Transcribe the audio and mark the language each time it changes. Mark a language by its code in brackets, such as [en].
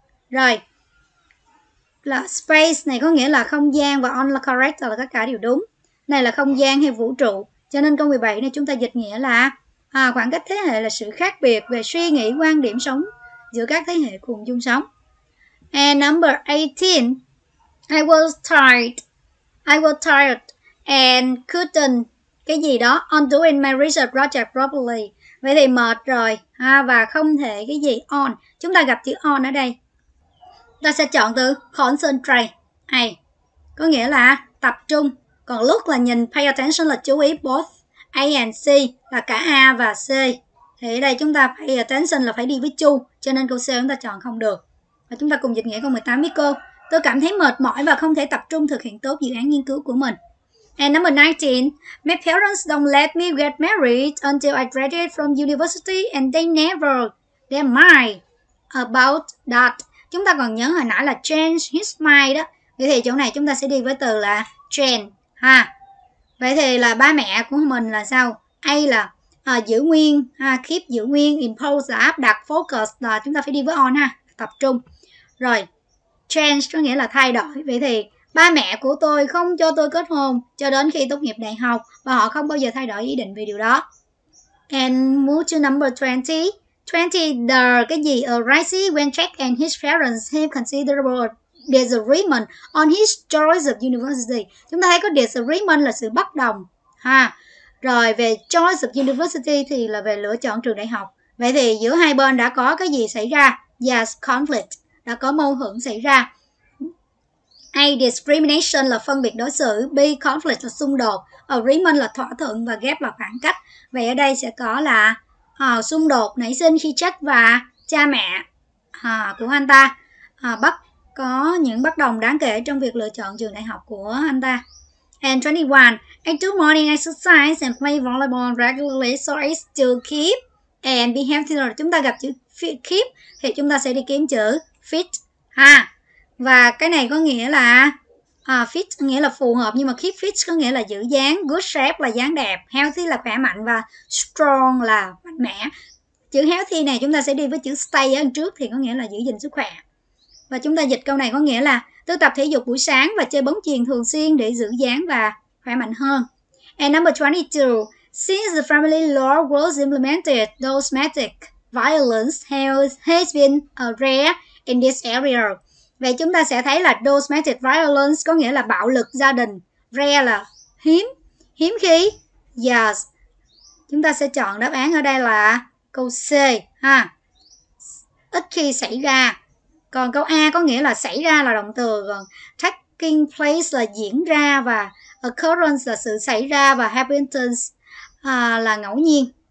[vi] Rồi, là space này có nghĩa là không gian và on the correct là tất cả đều đúng. Này là không gian hay vũ trụ. Cho nên câu 17 này chúng ta dịch nghĩa là khoảng cách thế hệ là sự khác biệt về suy nghĩ, quan điểm sống giữa các thế hệ cùng chung sống. [en] And number 18, I was tired and couldn't [vi] cái gì đó [en] on doing my research project properly. [vi] Vậy thì mệt rồi và không thể cái gì on. Chúng ta gặp chữ on ở đây, ta sẽ chọn từ concentrate hay, có nghĩa là tập trung. Còn look là nhìn, pay attention là chú ý. [en] Both A and C [vi] là cả A và C. Thì ở đây chúng ta pay attention là phải đi với chu, cho nên câu C chúng ta chọn không được. Và chúng ta cùng dịch nghĩa câu 18 với cô. Tôi cảm thấy mệt mỏi và không thể tập trung thực hiện tốt dự án nghiên cứu của mình. [en] And number 19, my parents don't let me get married until I graduate from university and they never, they mind about that. [vi] Chúng ta còn nhớ hồi nãy là change his mind đó. Vậy thì chỗ này chúng ta sẽ đi với từ là change ha. Vậy thì là ba mẹ của mình là sao? A là giữ nguyên, keep giữ nguyên, impose là áp đặt, focus là chúng ta phải đi với on ha, tập trung. Rồi, change có nghĩa là thay đổi. Vậy thì ba mẹ của tôi không cho tôi kết hôn cho đến khi tốt nghiệp đại học và họ không bao giờ thay đổi ý định về điều đó. [en] And move to number 20. 20, the [vi] cái gì [en] arises when Jack and his parents have considerable disagreement on his choice of university. [vi] Chúng ta thấy có disagreement là sự bất đồng ha. Rồi về choice of university thì là về lựa chọn trường đại học. Vậy thì giữa hai bên đã có cái gì xảy ra? Yes, conflict. Đã có mâu thuẫn xảy ra. A, discrimination là phân biệt đối xử. B, conflict là xung đột. Agreement là thỏa thuận và gap là khoảng cách. Vậy ở đây sẽ có là xung đột nảy sinh khi Jack và cha mẹ của anh ta có những bất đồng đáng kể trong việc lựa chọn trường đại học của anh ta. [en] And 21, I do morning exercise and play volleyball regularly so as to keep and be healthy. [vi] Chúng ta gặp chữ keep thì chúng ta sẽ đi kiếm chữ fit ha. Và cái này có nghĩa là fit nghĩa là phù hợp, nhưng mà keep fit có nghĩa là giữ dáng, good shape là dáng đẹp, healthy là khỏe mạnh và strong là mạnh mẽ. Chữ healthy này chúng ta sẽ đi với chữ stay ở trước thì có nghĩa là giữ gìn sức khỏe. Và chúng ta dịch câu này có nghĩa là tôi tập thể dục buổi sáng và chơi bóng chuyền thường xuyên để giữ dáng và khỏe mạnh hơn. [en] And number 22, since the family law was implemented, domestic violence has been a rare in this area. [vi] Vậy chúng ta sẽ thấy là domestic violence có nghĩa là bạo lực gia đình. Rare là hiếm, hiếm khi. Yes. Chúng ta sẽ chọn đáp án ở đây là câu C ha. Ít khi xảy ra. Còn câu A có nghĩa là xảy ra là động từ, còn taking place là diễn ra và occurrence là sự xảy ra và happenstance là ngẫu nhiên.